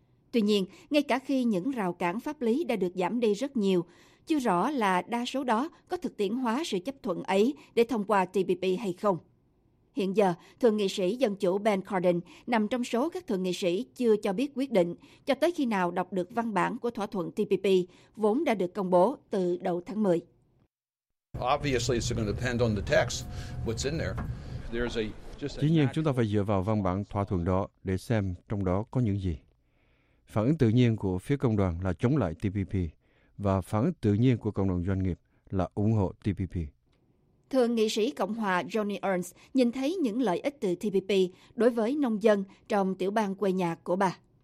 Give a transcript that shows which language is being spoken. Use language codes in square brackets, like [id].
[vi] Tuy nhiên, ngay cả khi những rào cản pháp lý đã được giảm đi rất nhiều, chưa rõ là đa số đó có thực tiễn hóa sự chấp thuận ấy để thông qua TPP hay không. Hiện giờ, Thượng nghị sĩ Dân Chủ Ben Cardin nằm trong số các thượng nghị sĩ chưa cho biết quyết định cho tới khi nào đọc được văn bản của thỏa thuận TPP, vốn đã được công bố từ đầu tháng 10. [en] Obviously, it's going to depend on the text, what's in there. [vi] Dĩ nhiên, chúng ta phải dựa vào văn bản thỏa thuận đó để xem trong đó có những gì. Phản ứng tự nhiên của phía công đoàn là chống lại TPP và phản ứng tự nhiên của cộng đồng doanh nghiệp là ủng hộ TPP. Thượng nghị sĩ Cộng hòa Johnny Ernst nhìn thấy những lợi ích từ TPP đối với nông dân trong tiểu bang quê nhà của bà.